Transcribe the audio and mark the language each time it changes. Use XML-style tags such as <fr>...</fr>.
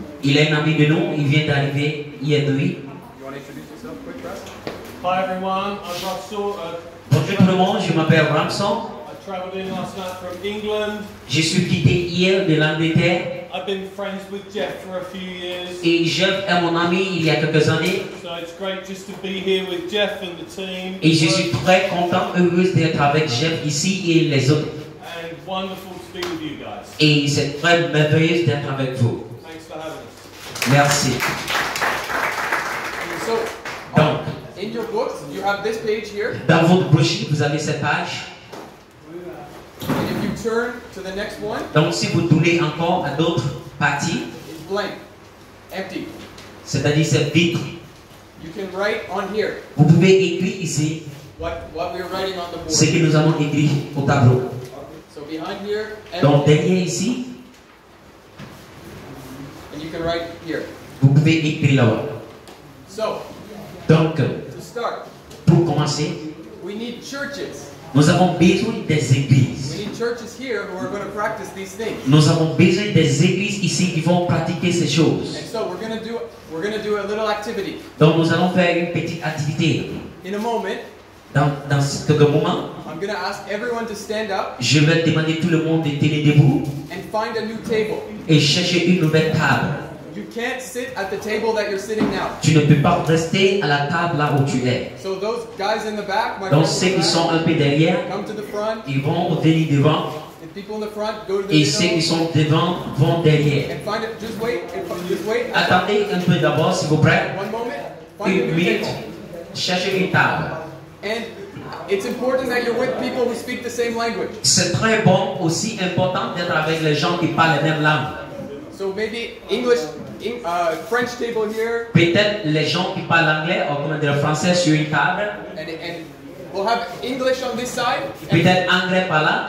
<fr>Il est un ami de nous. Il vient d'arriver hier nuit.</fr> <en>You want to introduce yourself quick, Russell? Hi everyone, I'm Russell.</en> <fr>Bonjour tout le monde, je m'appelle Ramson.</fr> <en>I traveled in last night from England.</en> <fr>Je suis quitté hier de l'Angleterre.</fr> <en>I've been friends with Jeff for a few years.</en> <fr>Et Jeff est mon ami il y a quelques années.</fr> <en>So it's great just to be here with Jeff and the team.</en> <fr>Et je suis très content, heureux d'être avec Jeff ici et les autres.</fr> <en>And wonderful to be with you guys.</en> <fr>Et c'est très merveilleux d'être avec vous.</fr> <en>Thanks for having us.</en> <fr>Merci.</fr> <en>So,</en> <fr>donc,</fr> <en>in your book, you have this page here.</en> <fr>Dans votre brochure, vous avez cette page.</fr> <en>Turn to the next one.</en> <fr>Donc si vous tournez encore à d'autres parties,</fr> <en>it's blank, empty.</en> <fr>C'est-à-dire c'est vide.</fr> <en>You can write on here.</en> <fr>Vous pouvez écrire ici.</fr> <en>What we're writing on the board.</en> <fr>Ce que nous avons écrit au tableau. Okay.</fr> <en>So behind here. Empty.</en> <fr>Donc derrière ici.</fr> <en>And you can write here.</en> <fr>Vous pouvez écrire là-bas.</fr> <en>So.</en> <fr>Donc.</fr> <en>To start.</en> <fr>Pour commencer.</fr> <en>We need churches.</en> <fr>Nous avons besoin des églises.</fr> <en>We need churches here who are going to practice these things.</en> <fr>Nous avons besoin des églises ici qui vont pratiquer ces choses.</fr> <en>And so we're going to do a little activity.</en> <fr>Donc nous allons faire une petite activité.</fr> <en>In a moment.</en> <fr>Dans quelques moments.</fr> <en>I'm going to ask everyone to stand up.</en> <fr>Je vais demander tout le monde de tenir debout.</fr> <en>And find a new table.</en> <fr>Et chercher une nouvelle table.</fr> <en>You can't sit at the table that you're sitting now.</en> <fr>Tu ne peux pas rester à la table là où tu es.</fr> <en>So those guys in the back, my</en> <fr>donc ceux qui sont un peu derrière,</fr> <en>come to the front.</en> <fr>Ils vont venir devant.</fr> <en>And people in the front, go to the</en> <fr>et ceux Qui sont devant vont derrière.</fr> <en>And find it. Just wait. Just wait.</en> <fr>Attendez un peu d'abord, s'il vous plaît.</fr> <en>One moment.</en> <fr>Une minute. Cherchez une table.</fr> <en>And it's important that you're with people who speak the same language.</en> <fr>C'est très bon, aussi important d'être avec les gens qui parlent la même langue.</fr> <en>So maybe English, French table here.</en> <fr>Peut-être les gens qui parlent anglais ou comment dire français sur une table.</fr> <en>And we'll have English on this side.</en> <fr>Peut-être anglais par là.</fr>